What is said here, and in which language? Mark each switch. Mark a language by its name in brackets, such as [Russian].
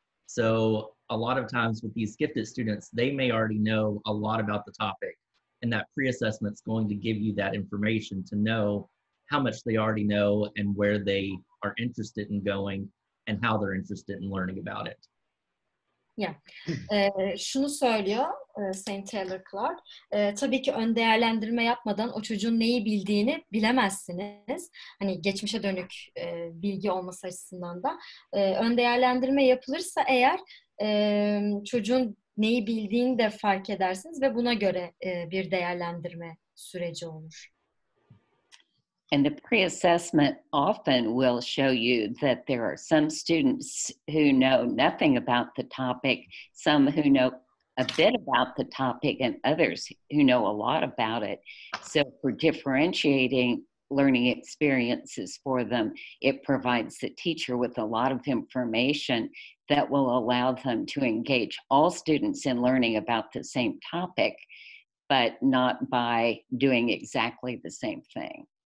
[English] So a lot of times with these gifted students, they may already know a lot about the topic, and that pre-assessment is going to give you that information to know how much they already know and where they are interested in going and how they're interested in learning about it. [Turkish] Yeah. Şunu söylüyor Saint Taylor Clark. Tabii ki ön değerlendirme yapmadan o çocuğun neyi bildiğini bilemezsiniz. Hani geçmişe dönük bilgi olması açısından da. Ön değerlendirme yapılırsa eğer çocuğun neyi bildiğini de fark edersiniz ve buna göre bir değerlendirme süreci olur. [English] And the pre-assessment often will show you that there are some students who know nothing about the topic, some who know a bit about the topic, and others who know a lot about it. So for differentiating learning experiences for them, it provides the teacher with a lot of information that will allow them to engage all students in learning about the same topic, but not by doing exactly the same thing.